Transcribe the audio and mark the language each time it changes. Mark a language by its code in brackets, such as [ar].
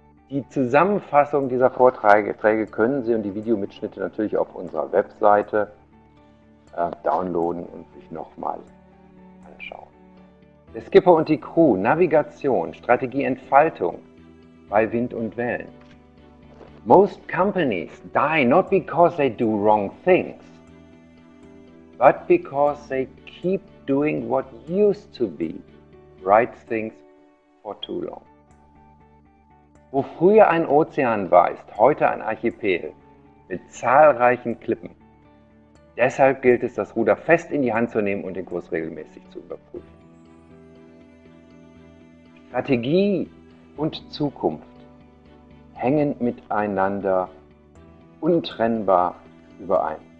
[de] Die Zusammenfassung dieser Vorträge können Sie und die Videomitschnitte natürlich auf unserer Webseite downloaden und sich nochmal anschauen. Der Skipper und die Crew, Navigation, Strategieentfaltung bei Wind und Wellen. [en] Most companies die not because they do wrong things, but because they keep doing what used to be right things for too long. [de] Wo früher ein Ozean war, ist heute ein Archipel mit zahlreichen Klippen. Deshalb gilt es, das Ruder fest in die Hand zu nehmen und den Kurs regelmäßig zu überprüfen. Strategie und Zukunft hängen miteinander untrennbar überein.